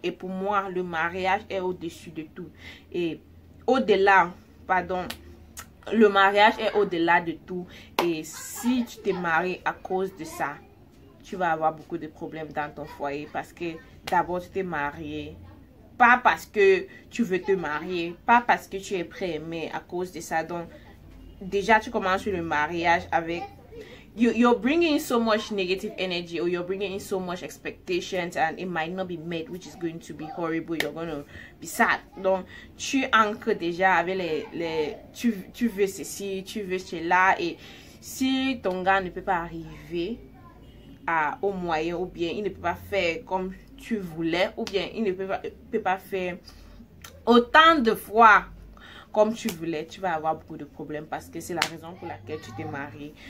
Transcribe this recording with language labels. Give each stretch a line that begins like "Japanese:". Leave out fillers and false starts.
French: Et pour moi, le mariage est au-dessus de tout. Et au-delà, pardon, le mariage est au-delà de tout. Et si tu te maries à cause de ça, tu vas avoir beaucoup de problèmes dans ton foyer. Parce que d'abord, tu t'es marié. Pas parce que tu veux te marier. Pas parce que tu es prêt, mais à cause de ça. Donc, déjà, tu commences le mariage avec...
English: You're bringing so much negative energy, or you're bringing in so much expectations, and it might not be met, which is going to be horrible. You're going to be sad.
French: Donc, tu ancres déjà avec tu veux ceci, tu veux cela, et si ton gars ne peut pas arriver au moyen, ou bien il ne peut pas faire comme tu voulais, ou bien il ne peut pas faire autant de fois comme tu voulais, tu vas avoir beaucoup de problèmes parce que c'est la raison pour laquelle tu t'es marié.